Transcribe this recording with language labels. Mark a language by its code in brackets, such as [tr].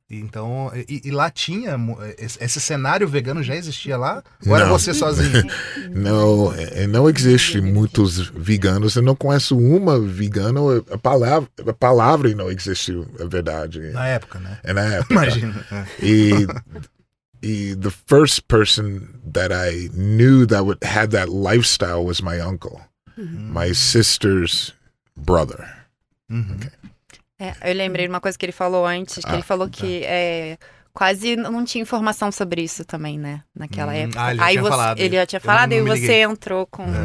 [pt] Então, e lá tinha, esse cenário vegano já existia lá? Ou era você sozinho? não existe muitos veganos. Eu não conheço uma vegana, a palavra não existe, é verdade. Na época, né? Na época. Imagina. [en] E the first person that I knew that had that lifestyle was my uncle. My sister's brother. Okay. [pt] Eu lembrei de uma coisa que ele falou antes, que ele falou que quase não tinha informação sobre isso também, né? Naquela época. Ele já tinha falado e você entrou com...